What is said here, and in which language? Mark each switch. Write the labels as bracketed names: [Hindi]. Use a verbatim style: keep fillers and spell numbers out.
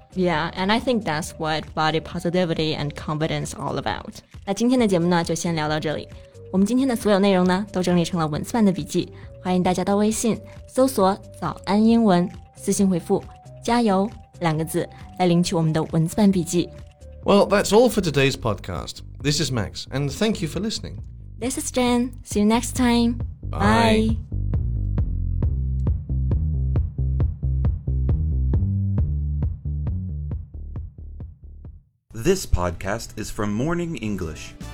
[English] Yeah, and I think that's what body positivity and confidence all about. [Chinese] 那今天的节目呢，就先聊到这里。我们今天的所有内容呢，都整理成了文字版的笔记，欢迎大家到微信搜索“早安英文”，私信回复“加油”两个字来领取我们的文字版笔记。 [English] Well, that's all for today's podcast. This is Max, and thank you for listening. This is Jen. See you next time. Bye. Bye. This podcast is from Morning English.